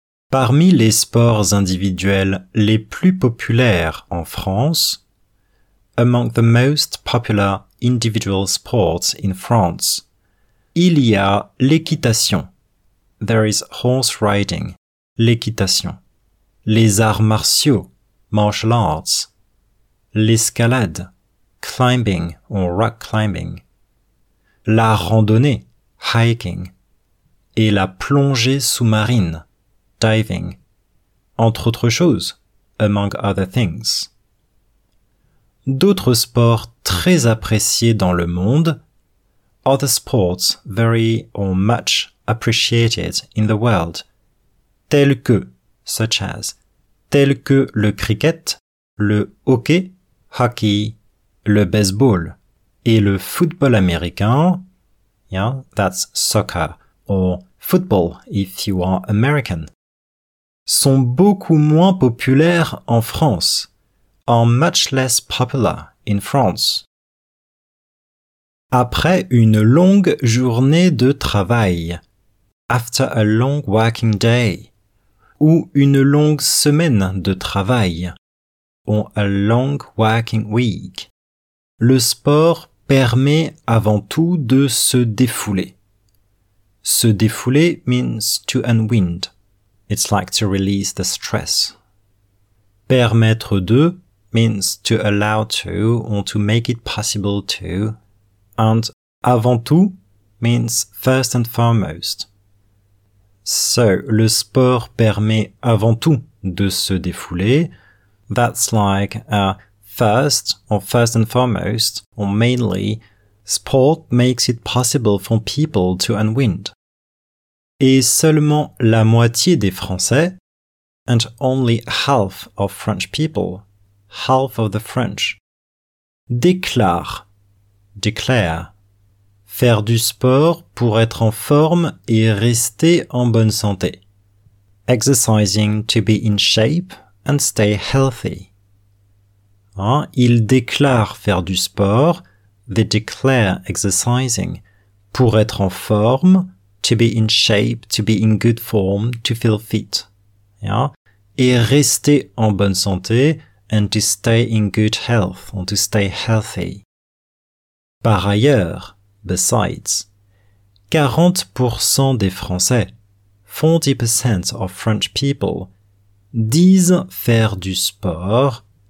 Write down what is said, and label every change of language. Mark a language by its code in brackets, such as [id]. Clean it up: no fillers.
[fr] Parmi les sports individuels les plus populaires en France, [en] among the most popular individual sports in France, [fr] il y a l'équitation. [en] There is horse riding. L'équitation. [fr] Les arts martiaux. [en] Martial arts. L'escalade. Climbing or rock climbing. [fr] La randonnée. Hiking. Et la plongée sous-marine. Diving. Entre autres choses. [en] Among other things. [fr] D'autres sports très appréciés dans le monde. [en] Other sports very or much appreciated in the world, tels que, such as, [fr] tels que le cricket, le hockey, [en] hockey, [fr] le baseball, et le football américain, [en] yeah, that's soccer, or football if you are American, [fr] sont beaucoup moins populaires en France, [en] are much less popular in France. [fr] Après une longue journée de travail, [en] after a long working day, [fr] ou une longue semaine de travail, [en] or a long working week, [fr] le sport permet avant tout de se défouler. [en] Se défouler means to unwind. It's like to release the stress. Permettre de means to allow to or to make it possible to. And avant tout means first and foremost. So, [fr] le sport permet avant tout de se défouler. [en] That's like a first or first and foremost or mainly. Sport makes it possible for people to unwind. [fr] Et seulement la moitié des Français, [en] and only half of French people, half of the French, declare, [fr] faire du sport pour être en forme et rester en bonne santé. [en] Exercising to be in shape and stay healthy. [fr] Hein? Ils déclarent faire du sport, [en] they declare exercising, [fr] pour être en forme, [en] to be in shape, to be in good form, to feel fit. Yeah? [fr] Et rester en bonne santé, [en] and to stay in good health, or to stay healthy. [fr] Par ailleurs, besides, 40% des Français, [en] 40% of French people, [fr] disent faire du sport,